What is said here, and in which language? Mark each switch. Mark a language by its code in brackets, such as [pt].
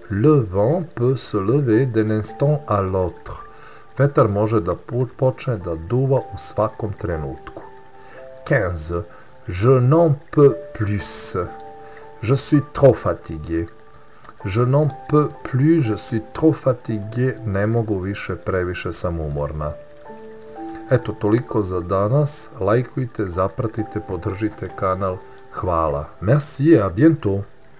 [fr] Le vent peut se lever d'un instant à l'autre. [sr] Vetar može da počne da duva u svakom trenutku. 15. [fr] Je n'en peux plus. Je suis trop fatigué. Je n'en peux plus, je suis trop fatigué. [sr] Ne mogu više, previše sam umorna. Eto, toliko za danas. Lajkujte, zapratite, podržite kanal. Hvala. [fr] Merci et à bientôt.